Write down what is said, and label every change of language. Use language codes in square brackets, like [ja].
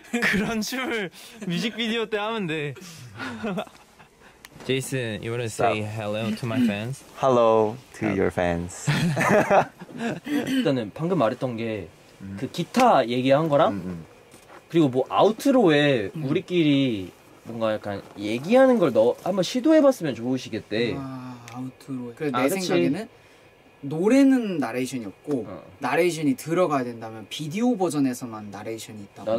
[ko] 그런 춤을 뮤직비디오 때 하면 돼. [en] Jason, you want to say hello to my fans? Hello to your fans. [ko] 일단은 방금 말했던 게 그 기타 얘기한 거랑 그리고 뭐 아우트로에 우리끼리 뭔가 약간 얘기하는 걸 넣어 한번 시도해봤으면 좋으시겠대. 아, 아우트로에. 그래, 내 생각에는 노래는 나레이션이었고 나레이션이 들어가야 된다면 비디오 버전에서만 나레이션이 있다거나